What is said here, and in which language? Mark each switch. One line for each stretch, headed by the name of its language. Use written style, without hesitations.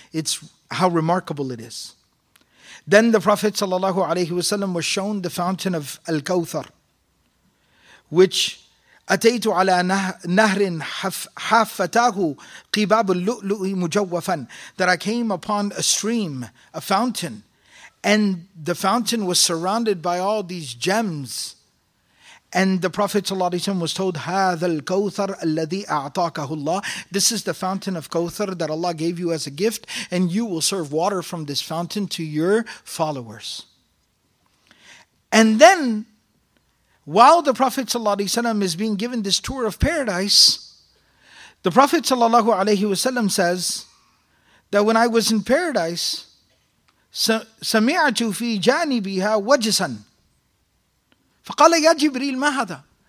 English: It's how remarkable it is. Then the Prophet ﷺ was shown the fountain of Al-Kawthar, which
Arabic: أتيت على نهر حافته قباب اللؤلؤ مجوفا.
English: That I came upon a stream, a fountain, and the fountain was surrounded by all these gems. And the Prophet ﷺ was told,
Arabic: هذا الكوثر الذي أعطاكه الله.
English: This is the fountain of Kawthar that Allah gave you as a gift, and you will serve water from this fountain to your followers. And then, while the Prophet ﷺ is being given this tour of paradise, the Prophet ﷺ says that when I was in paradise,
Arabic: سَمِعْتُ فِي جَانِبِهَا وَجِسًا فَقَالَ يَا جِبْرِيلُ مَا هَذَا.